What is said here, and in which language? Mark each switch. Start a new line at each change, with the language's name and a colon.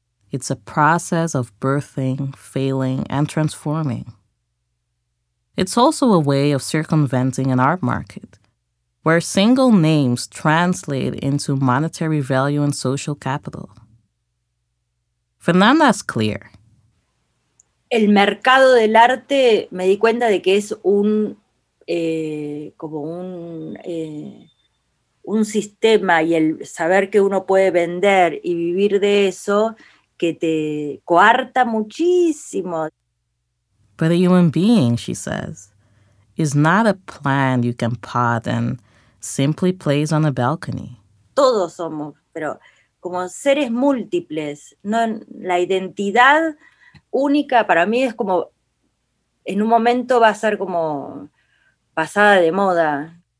English: It's a process of birthing, failing, and transforming. It's also a way of circumventing an art market, where single names translate into monetary value and social capital. Fernanda's clear.
Spanish: El mercado del arte, me di cuenta de que es un como un sistema, y el saber que uno puede vender y vivir de eso, que te coarta muchísimo.
English: But a human being, she says, is not a plant you can pot and simply place on a balcony.
Spanish: Todos somos, pero como seres múltiples, no, la identidad única para mí es como, en un momento va a ser como pasada de moda.